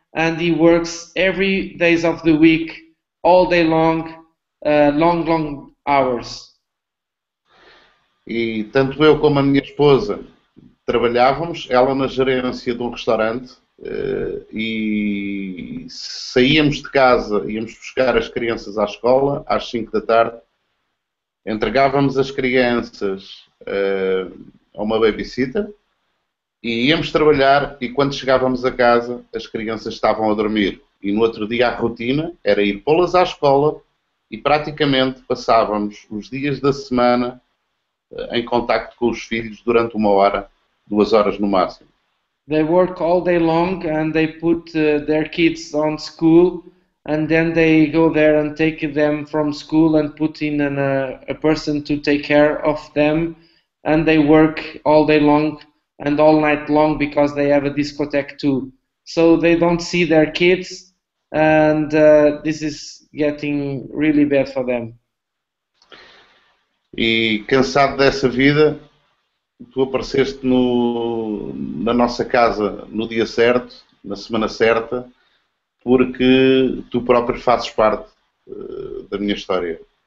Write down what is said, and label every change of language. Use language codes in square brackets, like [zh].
[en] And he works every days of the week, all day long, long hours. [pt] E tanto eu como a minha esposa trabalhávamos, ela na gerência de um restaurante, e saíamos de casa, íamos buscar as crianças à escola às 5 da tarde, entregávamos as crianças a uma babysitter, e íamos trabalhar, e quando chegávamos a casa, as crianças estavam a dormir. E no outro dia a rotina era ir pô-las à escola, e praticamente passávamos os dias da semana em contacto com os filhos durante uma hora, duas horas no máximo. [en] They work all day long and they put their kids on school, and then they go there and take them from school and put in a person to take care of them, and they work all day long and all night long because they have a discotheque too. So they don't see their kids, and this is getting really bad for them. [pt] E cansado dessa vida, tu apareceste na nossa casa no dia certo, na semana certa, porque tu próprio fazes parte da minha história.